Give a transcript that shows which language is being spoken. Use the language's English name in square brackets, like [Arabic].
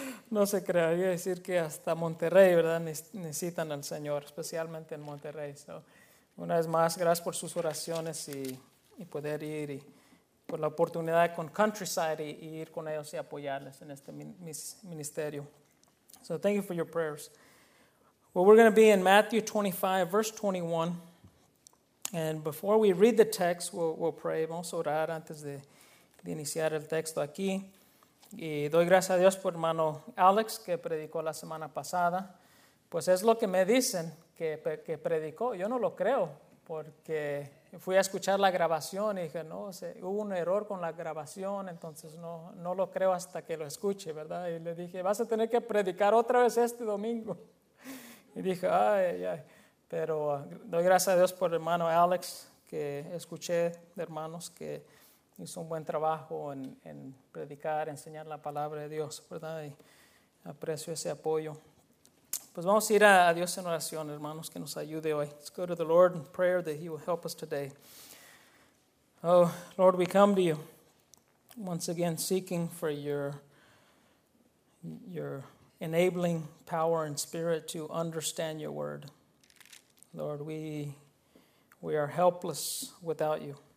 [Spanish] No se crearía decir que hasta Monterrey, ¿verdad?, necesitan al Señor, especialmente en Monterrey. So, una vez más, gracias por sus oraciones y poder ir y por la oportunidad con Countryside y ir con ellos y apoyarles en este ministerio. [English] So thank you for your prayers. Well, we're going to be in Matthew 25, verse 21. And before we read the text, we'll pray. [Spanish] Vamos a orar antes de iniciar el texto aquí. Y doy gracias a Dios por hermano Alex que predicó la semana pasada. Pues es lo que me dicen que predicó. Yo no lo creo porque fui a escuchar la grabación y dije, no, hubo un error con la grabación, entonces no lo creo hasta que lo escuche, ¿verdad? Y le dije, vas a tener que predicar otra vez este domingo. Y dije, ay, ay. Pero doy gracias a Dios por hermano Alex que escuché de hermanos que hizo un buen trabajo en predicar, enseñar la palabra de Dios, ¿verdad? Y aprecio ese apoyo. Pues vamos a ir a Dios en oración, hermanos, que nos ayude hoy. [English] Let's go to the Lord in prayer that he will help us today. Oh, Lord, we come to you once again seeking for your enabling power and spirit to understand your word. Lord, we are helpless without you.